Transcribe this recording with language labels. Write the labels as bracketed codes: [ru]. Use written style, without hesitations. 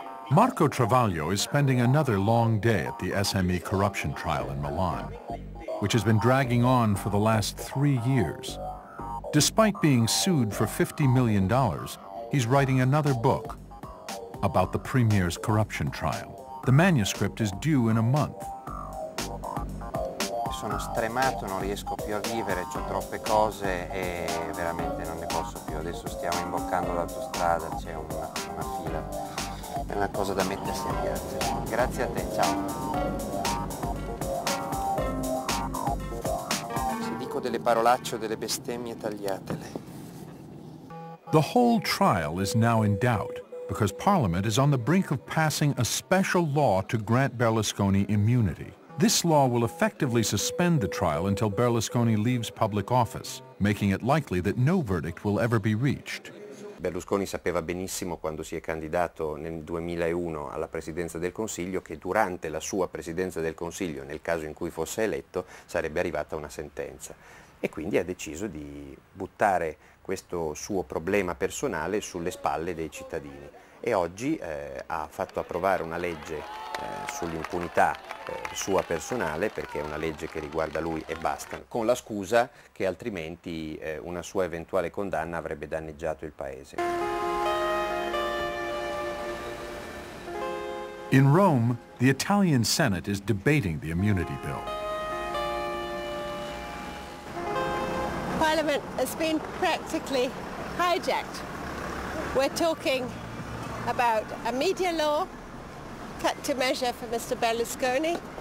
[en] Marco Travaglio is spending another long day at the SME corruption trial in Milan, which has been dragging on for the last 3 years. Despite being sued for $50 million, he's writing another book about the premier's corruption trial. The manuscript is due in a month. [it] Sono stremato, non riesco più a vivere, c'ho troppe cose e veramente non ne posso più. Adesso stiamo imboccando l'autostrada, c'è una fila. È una cosa da mettersi a piangere. Grazie a te, ciao. Se dico delle parolacce o delle bestemmie, tagliatele. [en] The whole trial is now in doubt because Parliament is on the brink of passing a special law to grant Berlusconi immunity. This law will effectively suspend the trial until Berlusconi leaves public office, making it likely that no verdict will ever be reached. [it] Berlusconi sapeva benissimo quando si è candidato nel 2001 alla presidenza del Consiglio che durante la sua presidenza del Consiglio, nel caso in cui fosse eletto, sarebbe arrivata una sentenza. E quindi ha deciso di buttare questo suo problema personale sulle spalle dei cittadini. E oggi ha fatto approvare una legge sull'impunità sua personale, perché è una legge che riguarda lui e basta, con la scusa che altrimenti una sua eventuale condanna avrebbe danneggiato il paese. [en] In Rome, the Italian Senate is debating the immunity bill. Parliament has been practically hijacked. We're talking about a media law cut to measure for Mr. Berlusconi.